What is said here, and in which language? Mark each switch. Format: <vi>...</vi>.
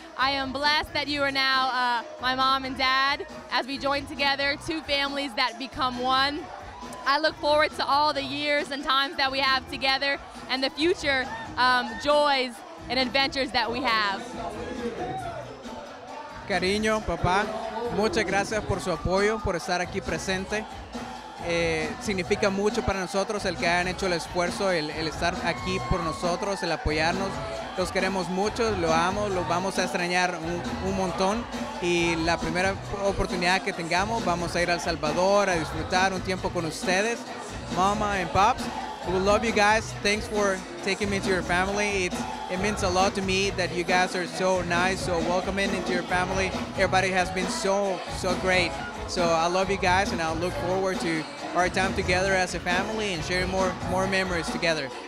<en>I am blessed that you are now my mom and dad as we join together, two families that become one. I look forward to all the years and times that we have together and the future joys and adventures that we have.</en> <es>Cariño, papá, muchas gracias por su apoyo, por estar aquí presente. Significa mucho para nosotros el que hayan hecho el esfuerzo, el estar aquí por nosotros, el apoyarnos. Los queremos mucho, lo amo, lo vamos a extrañar un montón. Y la primera oportunidad que tengamos, vamos a ir a El Salvador a disfrutar un tiempo con ustedes.</es> <en>Mama and Pops, we love you guys. Thanks for taking me to your family. It means a lot to me that you guys are so nice, so welcoming into your family. Everybody has been so, so great. So I love you guys, and I look forward to our time together as a family and sharing more memories together.</en>